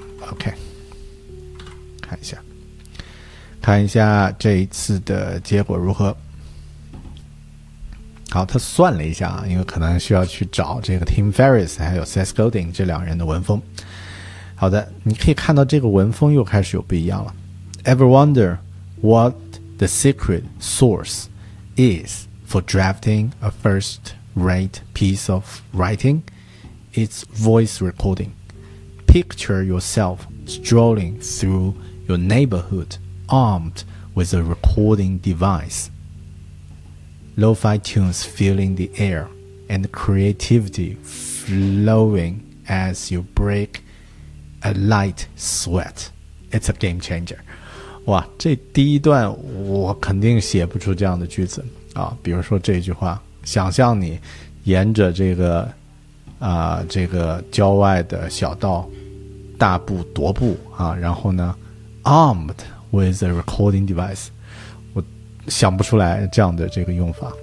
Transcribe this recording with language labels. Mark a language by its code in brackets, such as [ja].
[zh] OK， 看一下，看一下这一次的结果如何。好，他算了一下，因为可能需要去找这个 Tim Ferriss 还有 Seth Godin 这两人的文风。好的，你可以看到这个文风又开始有不一样了。 [en] Ever wonder what the secret source is for drafting a first-rate piece of writing? It's voice recording. Picture yourself strolling through your neighborhood armed with a recording device. Lo-fi tunes filling the air and creativity flowing as you break a light sweat. It's a game changer. [zh] 哇，这第一段我肯定写不出这样的句子啊！比如说这句话，想象你沿着这个这个郊外的小道大步踱步啊，然后呢 [en] armed with a recording device， [zh] 想不出来这样的这个用法。